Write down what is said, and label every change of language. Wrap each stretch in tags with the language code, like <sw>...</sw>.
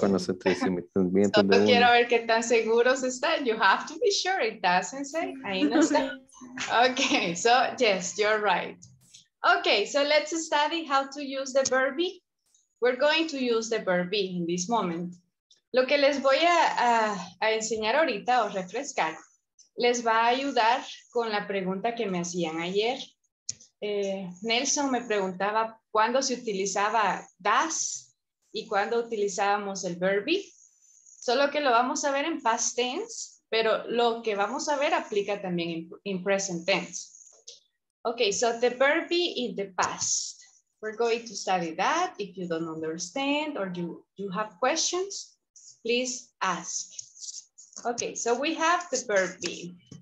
<es>So, quiero ver qué tan seguros están.</es> <en>You have to be sure it doesn't say.</en> <es>Ahí no está.</es> <en>Okay, so yes, you're right. Okay, so let's study how to use the verb be. We're going to use the verb be in this moment.</en> <es>Lo que les voy a enseñar ahorita o refrescar, les va a ayudar con la pregunta que me hacían ayer. Nelson me preguntaba cuándo se utilizaba das y cuándo utilizábamos el verb be. Solo que lo vamos a ver en past tense, pero lo que vamos a ver aplica también en present tense.</es> <en>Okay, so the verb be in the past. We're going to study that. If you don't understand or you have questions, please ask. Okay, so we have the verb be.</en>